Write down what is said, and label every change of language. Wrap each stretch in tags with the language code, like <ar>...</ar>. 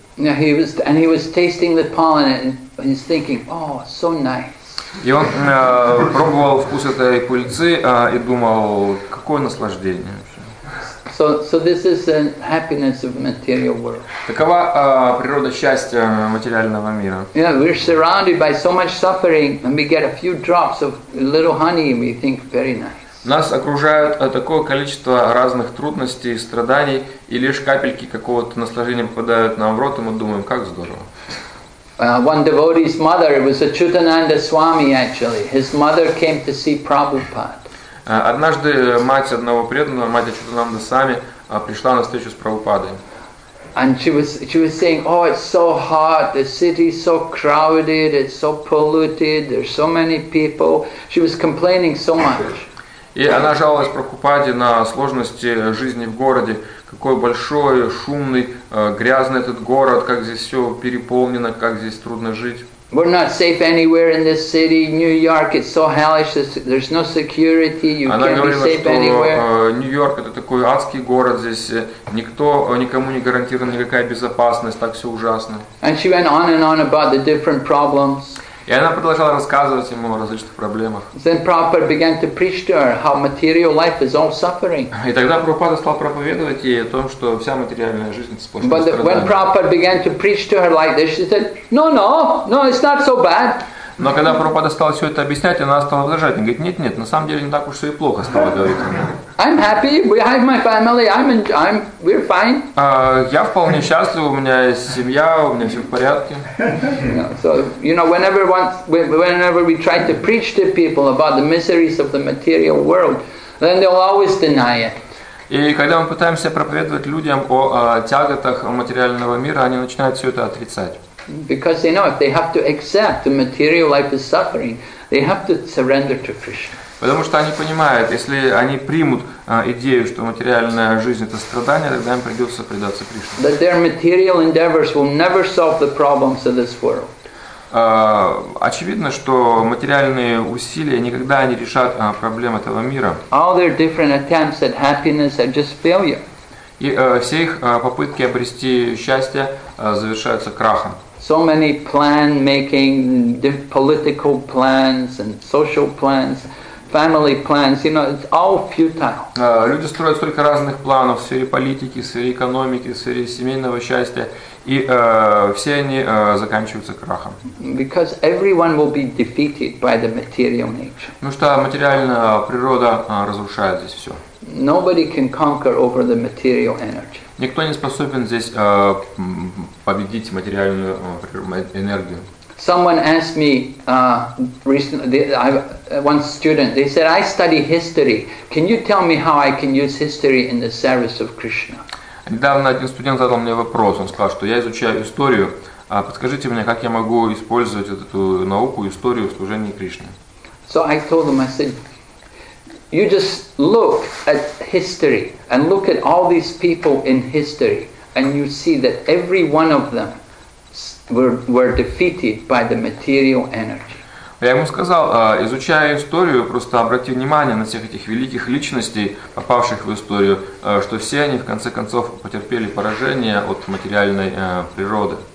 <en>Yeah, he was tasting the pollen, and he's thinking, oh, so nice.</en> <ru>И он пробовал вкус этой пыльцы и думал, какое наслаждение.</ru> <en>So this is the happiness of material world.</en> <ru>Такова природа счастья материального мира.</ru> <en>Yeah, we're surrounded by so much suffering, and we get a few drops of little honey, and we think very nice.</en> <ru>Нас окружает такое количество разных трудностей и страданий, и лишь капельки какого-то наслаждения попадают нам в рот, и мы думаем, как здорово.</ru> <en>One devotee's mother, it was Achyutananda Swami actually. His mother came to see Prabhupada.</en> <ru>Однажды мать одного преданного, мать Ачютананда Свами, пришла на встречу с Прабхупадой.</ru> <en>And she was saying, oh, it's so hot, the city is so crowded, it's so polluted, there's so many people. She was complaining so much.</en> <ru>И она жаловалась Прабхупаде на сложности жизни в городе. Какой большой, шумный, грязный этот город, как здесь все переполнено, как здесь трудно жить.</ru> <en>We're not safe anywhere in this city. New York, it's so hellish. There's no security. You</en> <ru>Она</ru> <en>can't</en> <ru>говорила,</ru> <en>be safe</en> <ru>что,</ru> <en>anywhere.</en> <ru>Нью-Йорк это такой адский город. Здесь никто никому не гарантирована никакая безопасность. Так все ужасно.</ru> <en>And she went on and on about the different problems.</en> <ru>И она продолжала рассказывать ему о различных проблемах.</ru> <en>Then Prabhupada began to preach to her how material life is all suffering.</en> <ru>И тогда Прабхупада стал проповедовать ей о том, что вся материальная жизнь сплошное страдание.</ru> <en>But when Prabhupada began to preach to her like this, she said, no, it's not so bad.</en> <ru>Но когда Прабхупада стал все это объяснять, она стала возражать. Она говорит, нет, на самом деле не так уж все и плохо, стала говорить она.</ru> <en>I'm happy, we have my family, we're fine.</en> <ru>Я вполне счастлив, у меня есть семья, у меня все в порядке.</ru> <en>So, you know, whenever we try to preach to people about the miseries of the material world, then they'll always deny it.</en> <ru>И когда мы пытаемся проповедовать людям о тяготах материального мира, они начинают все это отрицать.</ru> <en>Because they know if they have to accept the material life is suffering, they have to surrender to Krishna.</en> <ru>Потому что они понимают, если они примут идею, что материальная жизнь это страдание, тогда им придется предаться Кришне.</ru> <en>That their material endeavors will never solve the problems of this world.</en> <ru>Очевидно, что материальные усилия никогда не решат проблем этого мира.</ru> <en>All their different attempts at happiness are just failure.</en> <ru>И все их попытки обрести счастье завершаются крахом.</ru> <en>So many plan making, political plans and social plans, family plans, you know, it's all futile.</en> <ru>Люди строят столько разных планов в сфере политики, в сфере экономики, в сфере семейного счастья, И все они заканчиваются крахом.</ru> <en>Because everyone will be defeated by the material nature.</en> <ru>Ну что, материальная природа разрушает здесь все.</ru> <en>Nobody can conquer over the material energy.</en> <ru>Никто не способен здесь победить материальную энергию.</ru> <en>Someone asked me recently, one student, they said, I study history. Can you tell me how I can use history in the service of Krishna?</en> <ru>Недавно один студент задал мне вопрос. Он сказал, что я изучаю историю. А подскажите мне, как я могу использовать эту науку, историю в служении Кришне?</ru> <en>So I told him, I said, you just look at history and look at all these people in history and you see that every one of them were defeated by the material energy.</en> <ru>Я ему сказал, изучая историю, просто обрати внимание на всех этих великих личностей, попавших в историю, что все они в конце концов потерпели поражение от материальной природы.</ru>